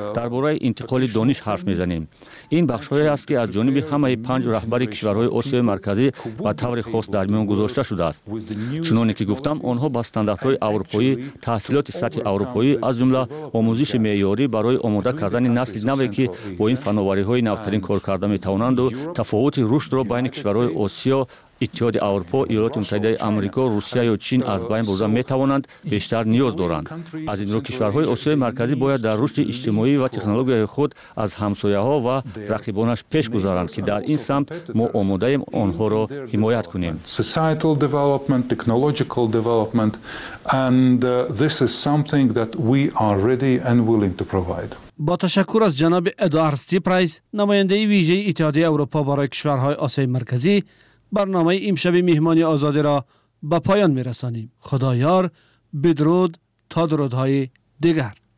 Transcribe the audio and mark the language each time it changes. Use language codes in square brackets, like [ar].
[fa] درباره انتقال دانش حرف میزنیم این بخش هایی است که از جانب همه پنج رهبر کشورهای آسیای مرکزی و طور خاص در میان گذاشته شده است چنانی که گفتم آنها با استانداردهای اروپایی تحصیلات سطح اروپایی از جمله آموزش معیاری برای آماده کردن نسل نوی که با این فناوری های نوترین کار کرده میتوانند و تفاوت رشد را بین کشورهای آسیا اتحاد اروپا، ایالات متحده آمریکا، روسیه یا چین از بین برده میتوانند بیشتر نیاز دارند. از این رو کشورهای آسیای مرکزی باید در رشد اجتماعی و تکنولوژی خود از همسایه‌ها و رقیبانش پیش گذارند که در این سمت ما آماده‌ایم آنها را حمایت کنیم. [en] Societal development, technological development and this is something that we are ready and willing to provide. [fa] با تشکر از جناب ادوارد ستیپرایس، نماینده ویژه اتحاد اروپا برای کشورهای آسیای مرکزی برنامه امشب میهمانی آزادی را به پایان می‌رسانیم. خدایار بدرود تا درودهای دیگر.